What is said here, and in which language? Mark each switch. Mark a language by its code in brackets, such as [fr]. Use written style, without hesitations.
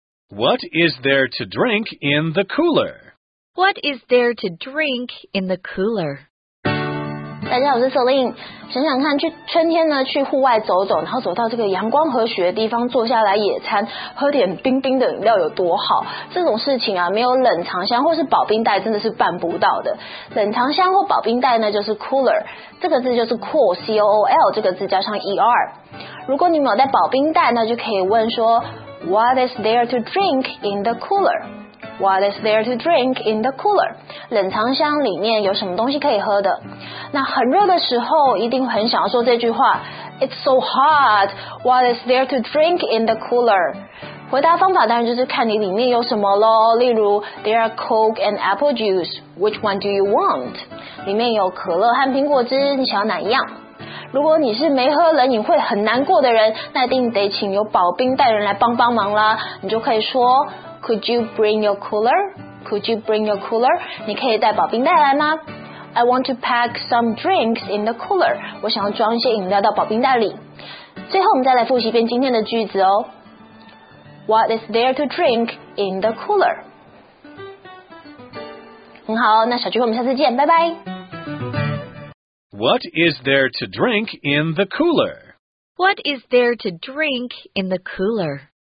[en] What is there to drink in the cooler? What is there to drink in the cooler? [zh] 大家好，我是 Celine。想想看，去春天呢，去户外走走，然后走到这个阳光和煦的地方，坐下来野餐，喝点冰冰的饮料有多好？这种事情啊，没有冷藏箱或是保冰袋，真的是办不到的。冷藏箱或保冰袋呢，就是 cooler， 这个字就是 cool，C-O-O-L 这个字加上 E-R。如果你没有带保冰袋，那就可以问说。 [en] What is there to drink in the cooler? What is there to drink in the cooler? [zh] 冷藏箱里面有什么东西可以喝的？那很热的时候一定很想要说这句话 [en] It's so hot. What is there to drink in the cooler? [zh] 回答方法当然就是看你里面有什么咯。例如 [en] There are Coke and apple juice. Which one do you want? [zh] 里面有可乐和苹果汁，你想要哪一样？如果你是没喝冷饮会很难过的人，那一定得请有保冰袋人来帮帮忙啦。你就可以说 [en] ，Could you bring your cooler? Could you bring your cooler? [zh] 你可以带保冰袋来吗 [en] ？I want to pack some drinks in the cooler. [zh] 我想要装一些饮料到保冰袋里。最后，我们再来复习一遍今天的句子哦。 [en] What is there to drink in the cooler? [zh] 很好，那小聚会我们下次见，拜拜。 [en] What is there to drink in the cooler? What is there to drink in the cooler?